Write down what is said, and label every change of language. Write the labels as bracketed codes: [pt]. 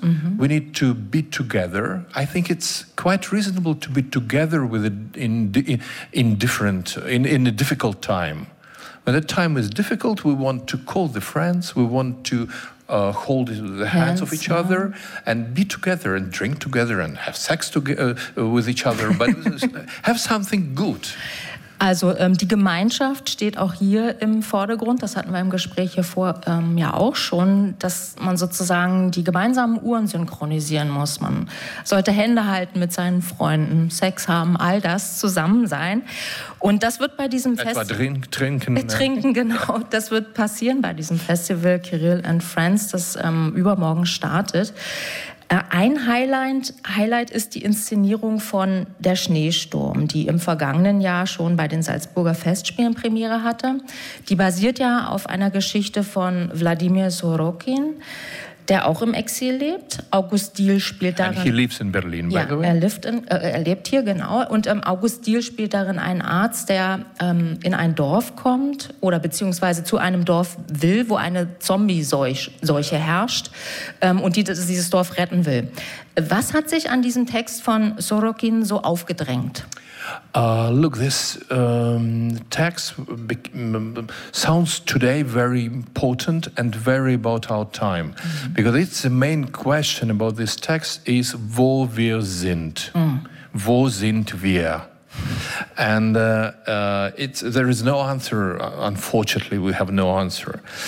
[en] Mm-hmm. We need to be together. I think it's quite reasonable to be together with in a difficult time. When the time is difficult, we want to call the friends, we want to hold the hands of each other and be together and drink together and have sex with each other, but have something good. [de] Also die Gemeinschaft steht auch hier im Vordergrund, das hatten wir im Gespräch hier vor ja auch schon, dass man sozusagen die gemeinsamen Uhren synchronisieren muss. Man sollte Hände halten mit seinen Freunden, Sex haben, all das, zusammen sein. Und das wird bei diesem das wird passieren bei diesem Festival Kirill and Friends, das übermorgen startet. Ein Highlight ist die Inszenierung von Der Schneesturm, die im vergangenen Jahr schon bei den Salzburger Festspielen Premiere hatte. Die basiert ja auf einer Geschichte von Wladimir Sorokin, der auch im Exil lebt. August Diehl spielt darin. [en] And he lives in Berlin, by the way. [de] Ja, er lebt hier, genau. Und August Diehl spielt darin einen Arzt, der in ein Dorf kommt oder beziehungsweise zu einem Dorf will, wo eine Zombie-Seuche herrscht und dieses Dorf retten will. Was hat sich an diesem Text von Sorokin so aufgedrängt? [en] Look, this text sounds today very important and very about our time. Mm-hmm. Because it's the main question about this text is, [de] wo wir sind? [en] Mm. [de] Wo sind wir? [en] And there is no answer, unfortunately, we have no answer.